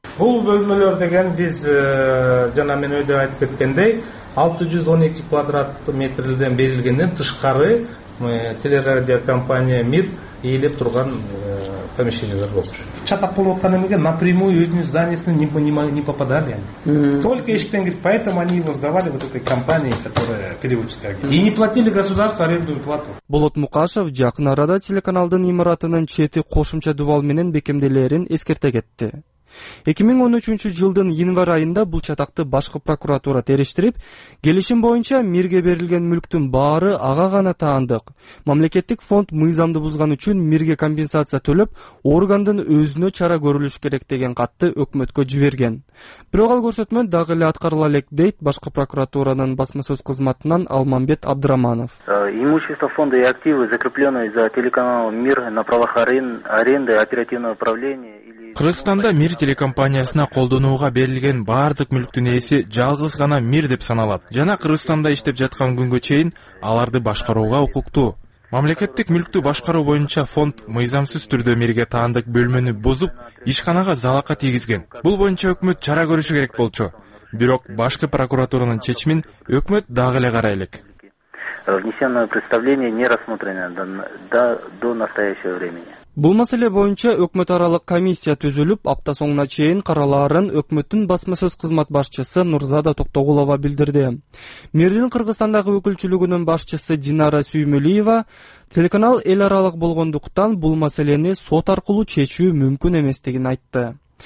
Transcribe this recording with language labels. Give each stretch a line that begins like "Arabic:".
Kyrgyz: Бул бөлмөлөр деген биз жана мен өйдө айтып кеткендей 612 квадрат метрден берилгенден тышкары телерадиокомпания «Мир» ээлеп турган помещениялар болчу. Чатак болуп атканы эмеге напрямую өзүнүн зданиясына
Russian: не попадали они. Только
Kyrgyz: эшиктен кирип,
Russian: поэтому они его сдавали вот этой компании, которая переводчик агент. И не платили государству арендную плату.
Kyrgyz: Болот Мукашев жакын арада телеканалдын имаратынын чети кошумча дубал менен бекемделерин эскерте кетти. 2013 жылдын январь айында бул чатакты башкы прокуратура териштирип, келишим боюнча мирге берилген мүлктүн баары ага гана таандык. Мамлекеттик фонд мыйзамды бузган үчүн мирге компенсация төлөп, органдын өзүнө чара көрүлүш керек деген катты өкмөткө жиберген. Бирок ал көрсөтмө дагы эле аткарыла элек, дейт башкы прокуратуранын басма сөз кызматынан Алмамбет Абдыраманов.
Russian: Имущество фонда и активы, закрепленные за телеканалом «Мир» на правах аренды, оперативного управления.
Kyrgyz: Кыргызстанда Мир телекомпаниясына колдонууга берилген баардык мүлктүн ээси жалгыз гана Мир деп саналат. Жана Кыргызстанда иштеп жаткан күнгө чейин аларды башкарууга укуктуу. Мамлекеттик мүлктү башкаруу боюнча фонд мыйзамсыз түрдө мирге таандык бөлмөнү бузуп, ишканага залака тийгизген. Бул боюнча өкмөт чара көрүшү керек болчу. Бирок башкы прокуратуранын чечимин өкмөт дагы эле карай элек.
Russian: Внесенное представление не рассмотрено до настоящего времени.
Kyrgyz: Бул маселе боюнча өкмөт аралык комиссия түзүлүп, апта соңуна чейин караларын өкмөттүн басма сөз кызмат башчысы Нурзада Токтогулова билдирди. Мирдин Кыргызстандагы өкүлчүлүгүнүн башчысы Динара Сүймөлиева телеканал эл аралык болгондуктан бул маселени сот аркылуу чечүү мүмкүн эместигин айтты.